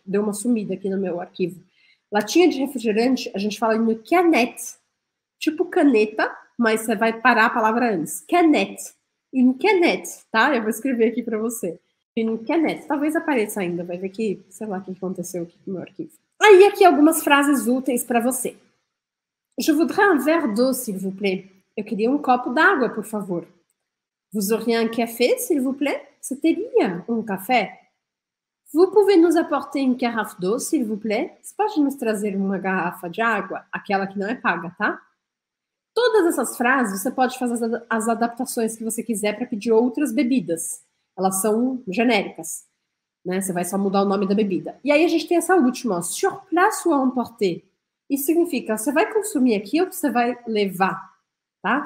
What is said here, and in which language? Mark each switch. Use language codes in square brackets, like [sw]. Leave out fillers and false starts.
[pt] Deu uma sumida aqui no meu arquivo. Latinha de refrigerante, a gente fala em canette. Tipo caneta, mas você vai parar a palavra antes. Canette. Em canette, tá? Eu vou escrever aqui pra você. Em canette. Talvez apareça ainda, vai ver que, sei lá, o que aconteceu aqui no meu arquivo. Aí, aqui algumas frases úteis pra você. [fr] Je voudrais un verre d'eau, s'il vous plaît. [pt] Eu queria um copo d'água, por favor. [fr] Vous auriez un café, s'il vous plaît? [pt] Você teria um café? [fr] Vous pouvez nous apporter une carafe d'eau, s'il vous plaît? [pt] Você pode nos trazer uma garrafa de água? Aquela que não é paga, tá? Todas essas frases, você pode fazer as adaptações que você quiser para pedir outras bebidas. Elas são genéricas, né? Você vai só mudar o nome da bebida. E aí a gente tem essa última, ó, sur place ou emporter. Isso significa, você vai consumir aqui ou você vai levar? Tá?